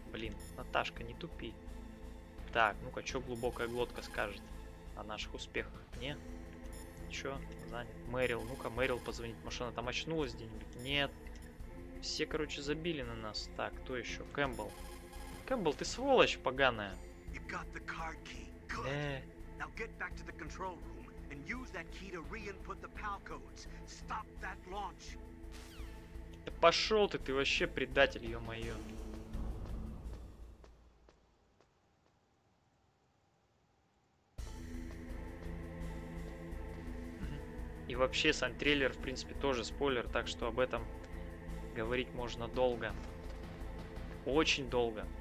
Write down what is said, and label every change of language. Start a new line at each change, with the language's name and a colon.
Russian: Блин, Наташка, не тупи. Так, ну-ка, чё глубокая глотка скажет о наших успехах? Не? Чё? Занят. Мэрил, ну-ка, Мэрил позвонить. Может, она там очнулась где-нибудь? Нет. Все, короче, забили на нас. Так, кто ещё? Кэмпбелл. Кэмпбелл, ты сволочь поганая.
English: And use that key to re-input the PAL codes. Stop that launch.
Russian: Да пошел ты вообще предатель, ё-моё. И вообще, сам трейлер, в принципе, тоже спойлер, так что об этом говорить можно долго. Очень долго.